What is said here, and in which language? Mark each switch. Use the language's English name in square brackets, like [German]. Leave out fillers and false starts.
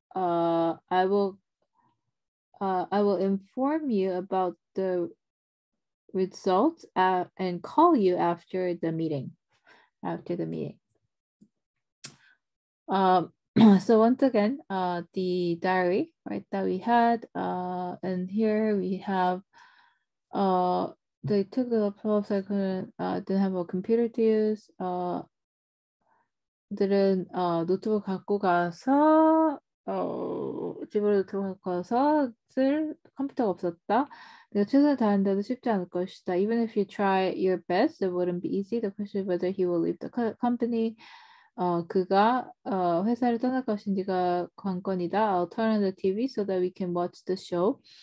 [English] I will inform you about the results and call you after the meeting. So once again, the diary, right, that we had, and here we have, they took the laptops. I couldn't, didn't have a computer to use. [Korean] 들은 노트북 갖고 가서 집으로 들어가서 쓸 컴퓨터가 없었다. 내가 최선을 다했는데도 쉽지 않을 것이다. [English] Even if you try your best, it wouldn't be easy. The question is whether he will leave the company. [Korean] 그가 회사를 떠날 것인지가 관건이다. [English] I'll turn on the TV so that we can watch the show.